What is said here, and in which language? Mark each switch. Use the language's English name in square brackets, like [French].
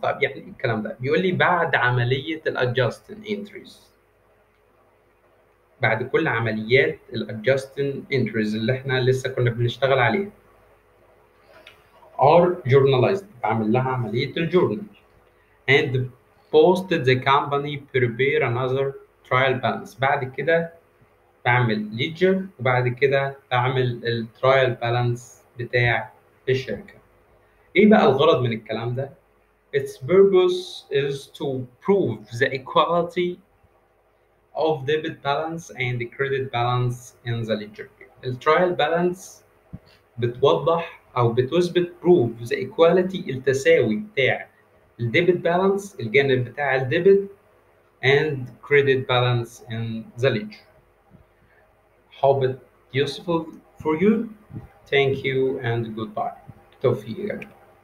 [Arabic] طب يعني الكلام ده بيقول لي بعد عملية ال adjusting entries، بعد كل عمليات ال adjusting entries اللي احنا لسه كنا بنشتغل عليها are journalized، بعمل لها عملية الجورنال، and posted the company prepare another trial balance، بعد كده بعمل ليدجر وبعد كده بعمل الترايل بالانس بتاع الشركه. [English] ايه بقى الغرض من الكلام ده؟ Its purpose is to prove the equality of debit balance and credit balance in the ledger. [Arabic] الترايل بالانس بتوضح او بتثبت بروف ذا ايكواليتي، التساوي بتاع الديبت بالانس، الجانب بتاع الديبت، اند كريدت بالانس ان ذا ليدجر. [English] Hope it useful for you. Thank you and goodbye. توفيق.